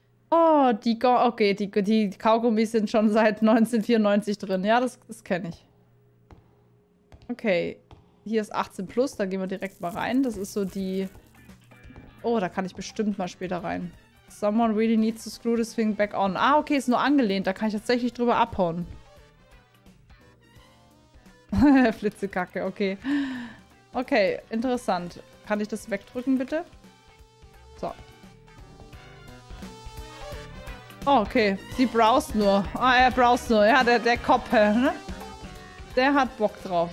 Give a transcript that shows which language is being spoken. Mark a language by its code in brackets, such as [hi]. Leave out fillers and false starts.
[de] Oh, die, okay, die Kaugummis sind schon seit 1994 drin. Ja, das kenne ich. Okay, hier ist 18 plus, da gehen wir direkt mal rein. Das ist so die... Oh, da kann ich bestimmt mal später rein. [en] Someone really needs to screw this thing back on. [de] Ah, okay, ist nur angelehnt, da kann ich tatsächlich drüber abhauen. Flitzekacke, okay. Okay, interessant. Kann ich das wegdrücken, bitte? So. Oh, okay. Sie browst nur. Ah, er browst nur. Ja, der Kopf, ne? Der hat Bock drauf.